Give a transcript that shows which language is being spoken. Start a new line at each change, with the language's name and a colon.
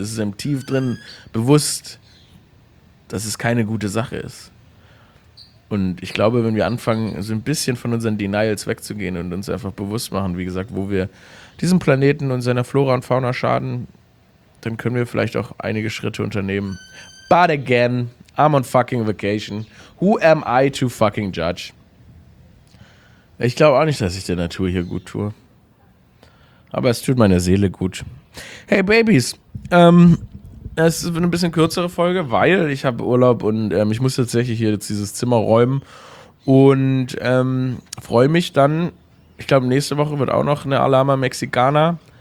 German: Es ist einem tief drin bewusst, dass es keine gute Sache ist. Und ich glaube, wenn wir anfangen, so ein bisschen von unseren Denials wegzugehen und uns einfach bewusst machen, wie gesagt, wo wir diesem Planeten und seiner Flora und Fauna schaden, dann können wir vielleicht auch einige Schritte unternehmen.
English: But again, I'm on fucking vacation. Who am I to fucking judge?
German: Ich glaube auch nicht, dass ich der Natur hier gut tue. Aber es tut meiner Seele gut. Hey Babys, es ist eine bisschen kürzere Folge, weil ich habe Urlaub und ich muss tatsächlich hier jetzt dieses Zimmer räumen. Und freue mich dann, ich glaube nächste Woche wird auch noch eine Alarma Mexicana.